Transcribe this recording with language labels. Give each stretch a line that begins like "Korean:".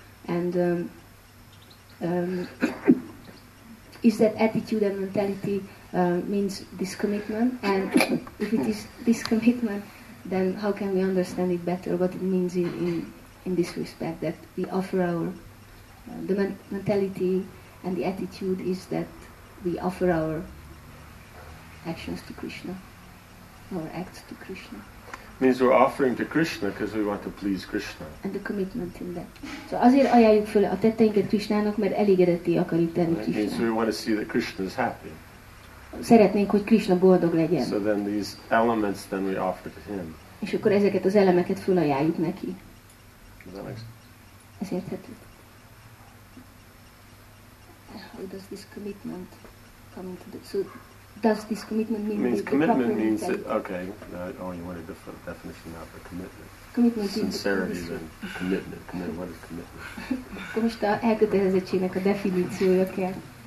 English: And is that attitude and mentality means this commitment, and if it is this commitment, then how can we understand it better, what it means in this respect, that we offer our the mentality and the attitude is that we offer our actions to Krishna, our acts to Krishna. Means we're offering to Krishna because we want to please Krishna. And the commitment in that.
Hungarian: So azért ajánljuk föl a tetteinket Krishnának, mert elégedetté akarjuk tenni Krishna.
English: Means we want to see that Krishna is happy.
Hungarian: Szeretnénk, hogy Krishna boldog legyen.
English: So then these elements then we offer to him.
Hungarian: És akkor ezeket az elemeket fölajánljuk neki.
English: Does that make sense?
Hungarian: Ez érthető.
English: How does this commitment come into the... So does this commitment mean... Means commitment means that, okay, you want a different definition now for commitment. Commitment sincerity is then commitment. Commitment, what is commitment?
Hungarian: Akkor most a elkötelezettségnek a definíciója kell.